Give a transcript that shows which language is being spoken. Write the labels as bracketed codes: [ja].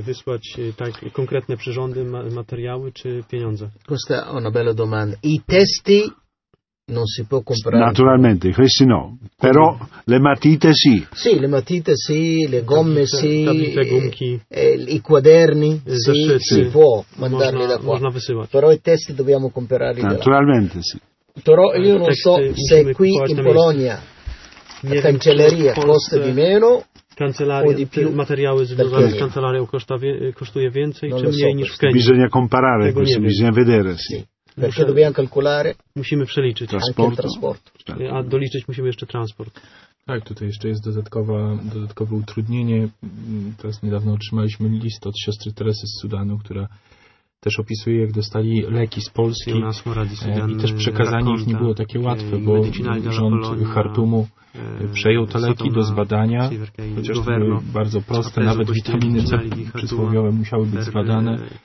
[pl] Wysłać tak konkretne przyrządy, materiały czy pieniądze? [it] Questa è una bella domanda. I testi non si può comprare. Naturalmente, questi no. Però le matite sì. Sì, le matite sì, le gomme sì, [pl] tabite, gomki, [it] i quaderni sì, si può mandarli da qua. [pl] Można wysyłać. [it] Però i testi dobbiamo comprarli. Naturalmente da sì. Però io non so se qui in Polonia la cancelleria costa di meno o di più. [pl] Materiały związane z kancelarią kosztuje więcej czy mniej niż w Kenii. [it] Bisogna comparare, bisogna vedere, sì. Perché dobbiamo calcolare. [pl] Musimy przeliczyć [it] trasporto. [pl] A doliczyć musimy jeszcze transport. Tak, tutaj jeszcze jest dodatkowe utrudnienie. Teraz niedawno otrzymaliśmy list od siostry Teresy z Sudanu, która też opisuje, jak dostali leki z Polski i też przekazanie ich nie było takie łatwe, bo rząd Chartumu przejął te leki do zbadania, chociaż to były bardzo proste, nawet witaminy C przysłowiowe musiały być zbadane.